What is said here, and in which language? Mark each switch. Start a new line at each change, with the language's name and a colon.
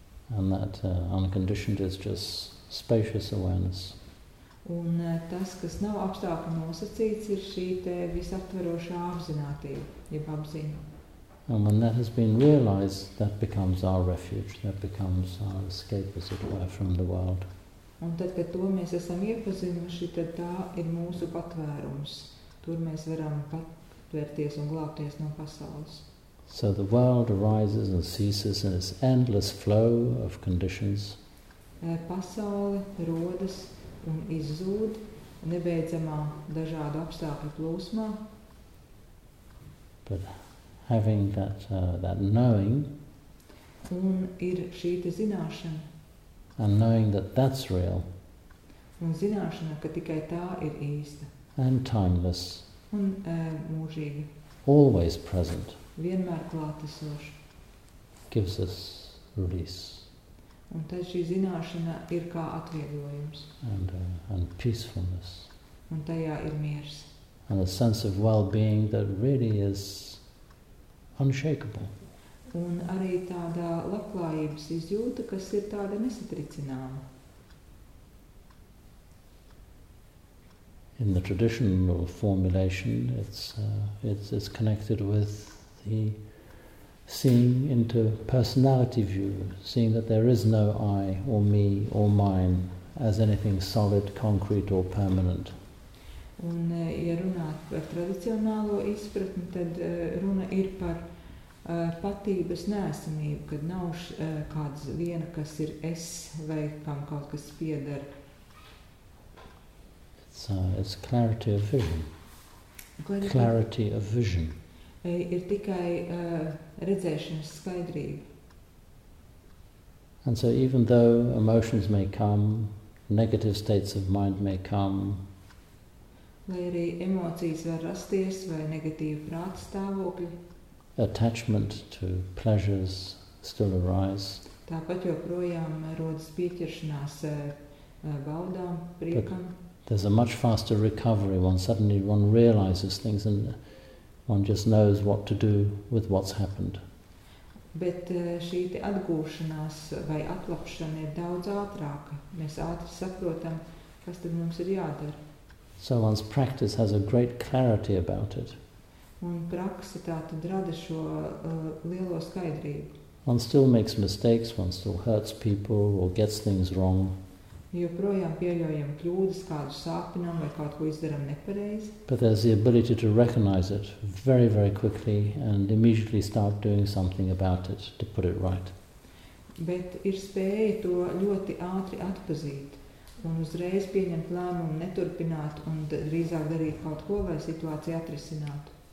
English: And that unconditioned is just spacious awareness.
Latvian: Un tas, kas nav apstākļu nosacīts, ir šī te visaptverošā apzinātība, jeb apziņa.
English: And when that has been realized, that becomes our refuge, that becomes our escape, as it were, from the world.
Latvian: Un tad, kad to mēs esam iepazinuši, tad tā ir mūsu patvērums. Tur mēs varam patvērties un glābties no pasaules.
English: So the world arises and ceases in its endless flow of conditions.
Latvian: Pasaule rodas un izzūd nebeidzamā dažādu apstākļu plūsmā.
English: But having that, that knowing,
Latvian: un ir šī te zināšana,
English: and knowing that that's real.
Latvian: Un zināšana, ka tikai tā ir īsta.
English: And timeless.
Latvian: Un mūžīga.
English: Always present.
Latvian: Vienmēr klātesoša.
English: Gives us release.
Latvian: Un tad šī zināšana ir kā atvieglojums.
English: And peacefulness.
Latvian: Un tajā ir miers.
English: And a sense of well-being that really is unshakable.
Latvian: Un arī tādā labklājības izjūta, kas ir tāda nesatricināma.
English: In the traditional formulation, it's connected with the seeing into personality view, seeing that there is no I or me or mine as anything solid, concrete or permanent.
Latvian: Un ja runāt par tradicionālo izpratni, tad runa ir par patības neesamību, kad nav kāds viena, kas ir es, vai kam kaut kas pieder.
English: It's clarity of vision. Clarity of vision.
Latvian: Ir tikai redzēšanas skaidrība.
English: And so even though emotions may come, negative states of mind may come,
Latvian: lai arī emocijas var rasties vai negatīvi prāta stāvokļi,
English: attachment to pleasures still arise.
Latvian: Tāpat joprojām rodas pieķeršanās baudām, priekam.
English: There's a much faster recovery when suddenly one realizes things and one just knows what to do with what's happened.
Latvian: Bet šī te atgūšanās vai atlapšana ir daudz ātrāka. Mēs ātri saprotam, kas tad mums ir jādara.
English: So one's practice has a great clarity about it.
Latvian: Un praksa tātad rada šo lielo skaidrību.
English: One still makes mistakes, one still hurts people or gets things wrong.
Latvian: Joprojām pieļaujam kļūdas, kādu sāpinām vai kaut ko izdaram nepareizi.
English: But there's the ability to recognize it very, very quickly and immediately start doing something about it to put it right.
Latvian: Bet ir spēja to ļoti ātri atpazīt un uzreiz pieņemt lēmumu, neturpināt un drīzāk darīt kaut ko vai situāciju atrisināt.